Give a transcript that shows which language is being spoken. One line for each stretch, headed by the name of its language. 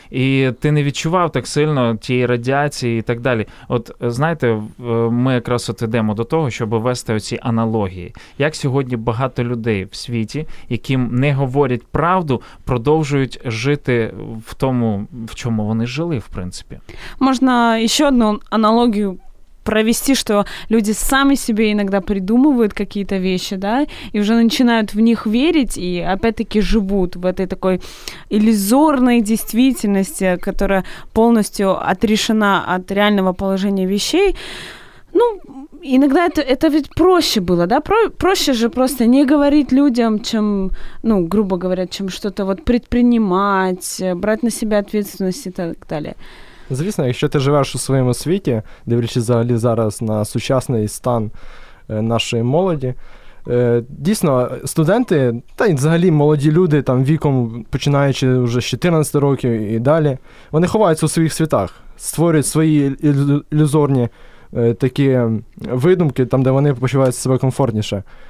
Ukrainian: І ти не відчував так сильно тієї радіації і так далі. От, знаєте, ми якраз от йдемо до того, щоб вести оці аналогії. Як сьогодні багато людей в світі, які не говорять правду, продовжують жити в тому, в чому вони жили, в принципі. Можна ще одну аналогію провести,
Russian: что люди сами себе иногда придумывают какие-то вещи, да, и уже начинают в них верить и опять-таки живут в этой такой иллюзорной действительности, которая полностью отрешена от реального положения вещей. Ну, иногда это ведь проще было, да, проще же просто не говорить людям, чем, ну, грубо говоря, чем что-то вот предпринимать, брать на себя ответственность и так далее.
Ukrainian: Звісно, якщо ти живеш у своєму світі, дивлячись взагалі зараз на сучасний стан нашої молоді, дійсно, студенти, та й взагалі молоді люди, там віком починаючи вже з 14 років і далі, вони ховаються у своїх світах, створюють свої ілюзорні такі видумки, там, де вони почувають себе комфортніше.